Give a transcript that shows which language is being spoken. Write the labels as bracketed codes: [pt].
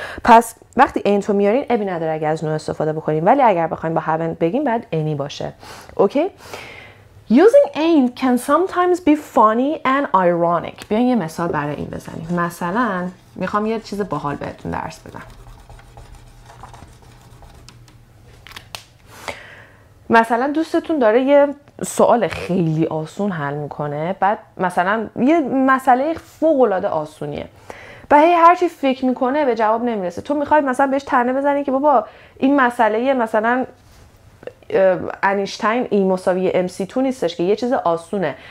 [fa] پس وقتی ain't رو میارین ابی نداره اگه از نو استفاده بکنیم. ولی اگر بخوایم با haven't بگیم بعد any باشه. اوکی؟ Okay? [en] Using ain't can sometimes be funny and ironic. [fa] بیاین یه مثال برای این بزنیم. مثلا میخوام یه چیز باحال بهتون درس بدم. مثلا دوستتون داره یه سوال خیلی آسون حل میکنه، بعد مثلا یه مسئله فوق‌العاده آسونیه، بعد هی هرچی فکر میکنه به جواب نمیرسه، تو میخوای مثلا بهش طعنه بزنی که بابا این مسئله یه مثلا انیشتین ای مساوی ام سی تو نیستش که، یه چیز آسونه.